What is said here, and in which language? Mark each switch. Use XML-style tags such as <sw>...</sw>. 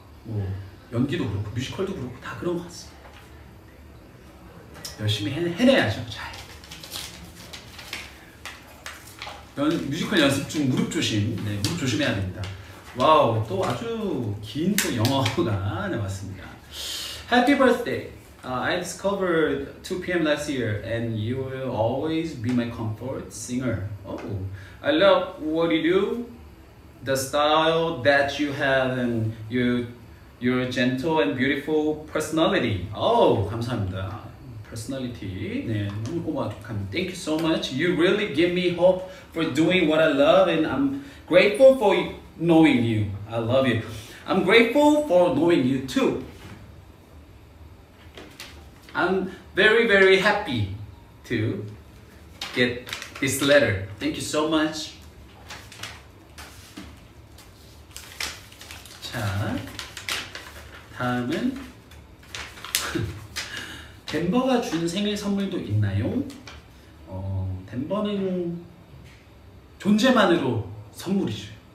<ko>뭐 연기도 그렇고 뮤지컬도 그렇고 다 그런 것 같습니다. 네. 열심히 해내야죠. 잘. 뮤지컬 연습 중 무릎 조심. 네, 무릎 조심해야 됩니다. 와우, 또 아주 긴 또 영어가 나왔습니다.</ko> <en>Happy birthday. I discovered 2PM last year, and you will always be my comfort singer. Oh, I love what you do, the style that you have, and your gentle and beautiful personality. Oh,</en> <ko>감사합니다.</ko> <en>Personality.</en> <ko>네, 너무 고맙습니다.</ko> <en>Thank you so much. You really give me hope for doing what I love, and I'm grateful for knowing you. I love you. I'm grateful for knowing you too. I'm very, very happy to get this letter. Thank you so much.</en> <ko>자, 다음은 덴버가 준 생일 선물도 있나요? 어, 덴버는 존재만으로 선물이죠.</ko>